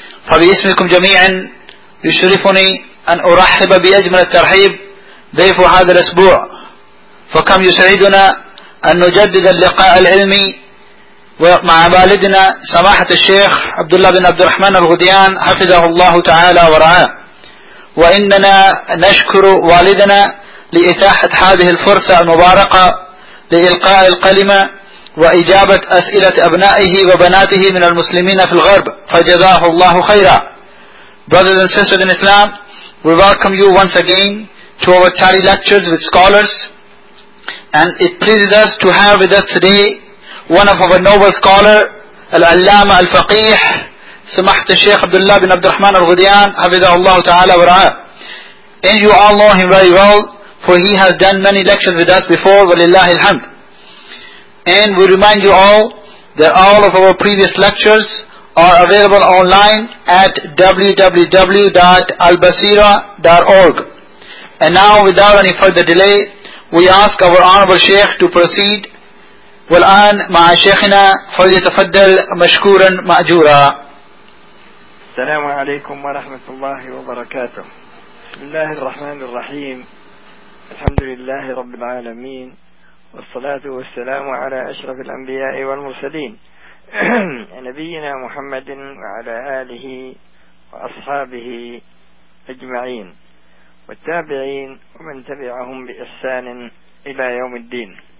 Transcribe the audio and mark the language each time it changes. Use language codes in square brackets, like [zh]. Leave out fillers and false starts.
[ar] فبإسمكم جميعا يشرفني أن أرحب بأجمل الترحيب ضيف هذا الأسبوع، فكم يسعدنا أن نجدد اللقاء العلمي ومع والدنا سماحة الشيخ عبد الله بن عبد الرحمن الغديان حفظه الله تعالى ورعاه، وإننا نشكر والدنا لإتاحة هذه الفرصة المباركة لإلقاء الكلمة وإجابة أسئلة أبنائه وبناته من المسلمين في الغرب، فجزاه الله خيرا. [en] Brothers and sisters in Islam, we welcome you once again to our charity lectures with scholars, and it pleases us to have with us today one of our noble scholars, Al-Allama Al-Faqih, Samahta Shaykh Abdullah bin Abdul Rahman Al-Ghudiyan, Hafizahu Allah Ta'ala wa Ra'a. And you all know him very well, for he has done many lectures with us before, walillahi alhamd. And we remind you all that all of our previous lectures are available online at www.albasira.org. And now, without any further delay, we ask our Honorable Shaykh to proceed. [ar] والآن مع شيخنا فليتفضل مشكورا مأجورا. السلام عليكم ورحمة الله وبركاته. بسم الله الرحمن الرحيم، الحمد لله رب العالمين، والصلاة والسلام على أشرف الأنبياء والمرسلين نبينا محمد وعلى آله وأصحابه أجمعين والتابعين ومن تبعهم بإحسان إلى يوم الدين.